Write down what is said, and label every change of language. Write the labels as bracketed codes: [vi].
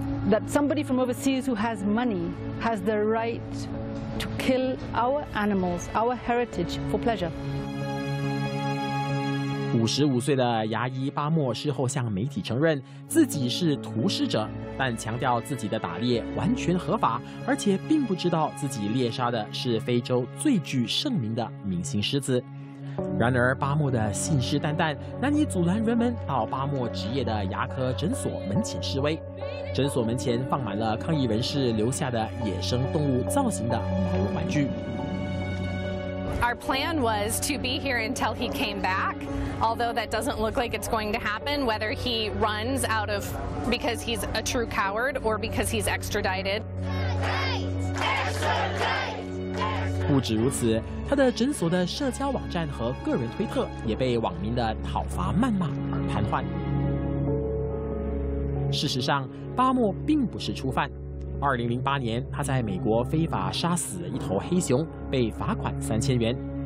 [en] That somebody from overseas who has money has the right to kill our animals, our heritage for pleasure. [zh] 55岁的牙医巴莫事后向媒体承认自己是屠狮者，但强调自己的打猎完全合法，而且并不知道自己猎杀的是非洲最具盛名的明星狮子。然而巴莫的信誓旦旦难以阻拦人们到巴莫职业的牙科诊所门前示威，诊所门前放满了抗议人士留下的野生动物造型的毛绒玩具。 [en] Our plan was to be here until he came back, although that doesn't look like it's going to happen, whether he runs out of because he's a true coward or because he's extradited. [zh] 不止如此，他的诊所的社交网站和个人推特也被网民的讨伐谩骂而瘫痪。事实上，巴莫并不是初犯。2008年，他在美国非法杀死一头黑熊，被罚款3000元。